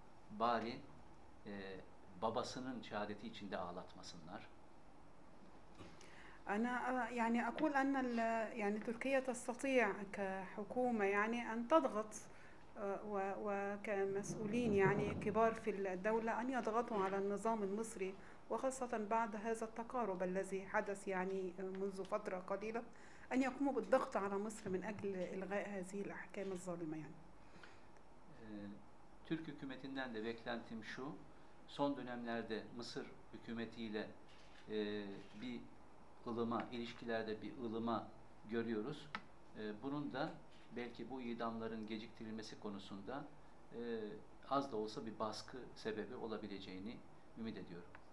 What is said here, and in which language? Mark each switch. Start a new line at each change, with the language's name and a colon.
Turkish: Bari babasının şehadeti için de ağlatmasınlar.
Arabic: Ana yani أقول أن يعني تركيا تستطيع كحكومة يعني أن تضغط وكمسؤولين يعني كبار في الدولة أن يضغطوا على النظام المصري وخاصة بعد هذا التقارب الذي حدث يعني منذ فترة قليلة. أن يقوموا بالضغط على مصر من أجل إلغاء هذه الأحكام الظالمة يعني.
Turkish: Türk hükümetinden de beklentim şu. Son dönemlerde Mısır hükümetiyle bir ılıma, ilişkilerde bir ılıma görüyoruz. Bunun da belki bu idamların geciktirilmesi konusunda az da olsa bir baskı sebebi olabileceğini ümit ediyorum.